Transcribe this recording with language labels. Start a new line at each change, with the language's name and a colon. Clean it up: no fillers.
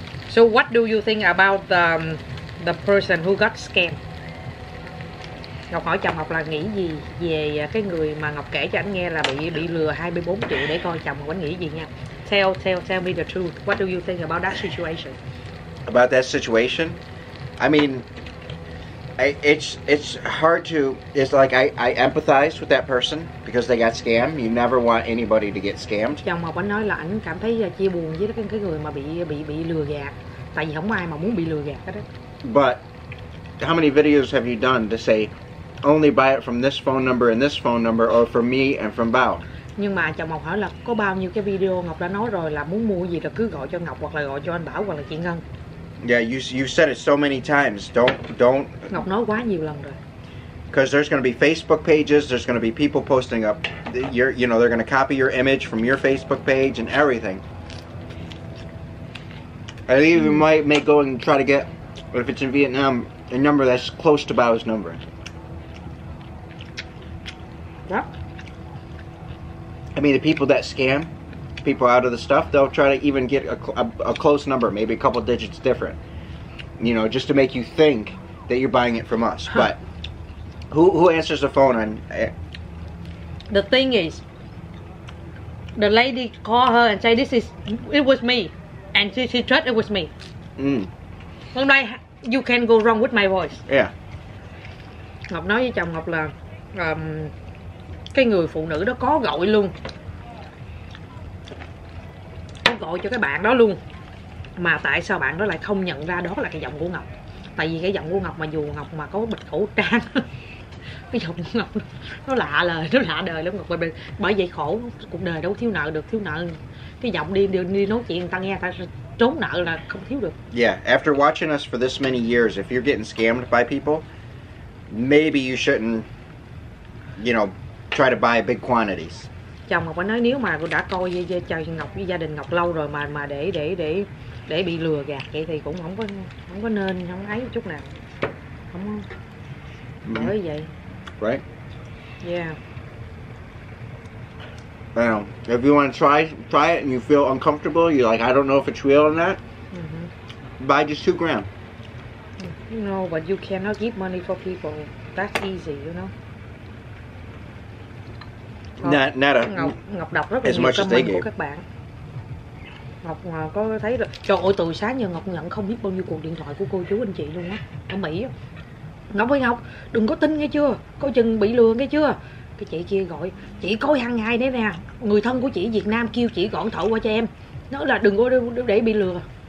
English: So what do you think about the person who got scammed?
Vietnamese: Ngọc hỏi chồng Ngọc là nghĩ gì về cái người mà Ngọc kể cho anh nghe là bị lừa 24 triệu để coi chồng Ngọc nghĩ gì nha.
English: Tell me the truth. What do you think about that situation? About that situation? I mean, it's hard to, it's like I empathize with that person because they got scammed. You never want anybody to get scammed.
Vietnamese: Chồng Ngọc anh nói là anh cảm thấy chia buồn với cái người mà bị lừa gạt. Tại vì không ai mà muốn bị lừa gạt hết á.
English: But how many videos have you done to say only buy it from this phone number and this phone number or from me and from Bao?
Vietnamese: Nhưng mà chồng Ngọc hỏi là có bao nhiêu cái video Ngọc đã nói rồi là muốn mua gì là cứ gọi cho Ngọc hoặc là gọi cho anh Bảo hoặc là chị Ngân.
English: Yeah, you said it so many times. Don't
Vietnamese: Ngọc nói quá nhiều lần rồi.
English: Because there's going to be Facebook pages, there's going to be people posting up your, you know, they're going to copy your image from your Facebook page and everything. And even might go and try to get, if it's in Vietnam, a number that's close to Bao's number. Yeah. I mean, the people that scam people out of the stuff, they'll try to even get a close number, maybe a couple digits different, you know, just to make you think that you're buying it from us. Huh. But who answers the phone? And the thing is, the lady called her and said, "This is it was me," and she thought it was me.
Vietnamese: Hôm nay,
English: you can go wrong with my voice. Yeah.
Vietnamese: Ngọc nói với chồng Ngọc là cái người phụ nữ đó có gọi luôn, có gọi cho cái bạn đó luôn, mà tại sao bạn đó lại không nhận ra đó là cái giọng của Ngọc? Tại vì cái giọng của Ngọc mà dù Ngọc mà có bịt khẩu trang, cái giọng của Ngọc nó lạ lời, nó lạ đời lắm Ngọc. Bởi vậy khổ, cuộc đời đâu thiếu nợ được, thiếu nợ cái giọng đi nói chuyện người ta nghe, ta trốn nợ là không thiếu được.
English: Yeah, after watching us for this many years, if you're getting scammed by people, maybe you shouldn't, you know, try to buy big quantities.
Vietnamese: Chồng Ngọc nói nếu mà đã coi chồng Ngọc với gia đình Ngọc lâu rồi mà để bị lừa gạt vậy thì cũng không có nên, không ấy chút nào. Không có. Bởi vậy.
English: Right. Yeah. Now, if you want to try it and you feel uncomfortable, you're like, I don't know if it's real or not, buy just 2 grand. You know, but you cannot give money for people. That's easy, you know. Not a,
Vietnamese: Ngọc đọc rất là nhiều comment của các bạn. Ngọc có thấy là trời ơi, từ sáng giờ Ngọc nhận không biết bao nhiêu cuộc điện thoại của cô chú anh chị luôn á, ở Mỹ. Ngọc ơi Ngọc, đừng có tin nghe chưa, coi chừng bị lừa nghe chưa. Cái chị kia gọi, chị coi hàng ngày đấy nè, người thân của chị Việt Nam kêu chị gọi thoại qua cho em, nói là đừng có để bị lừa.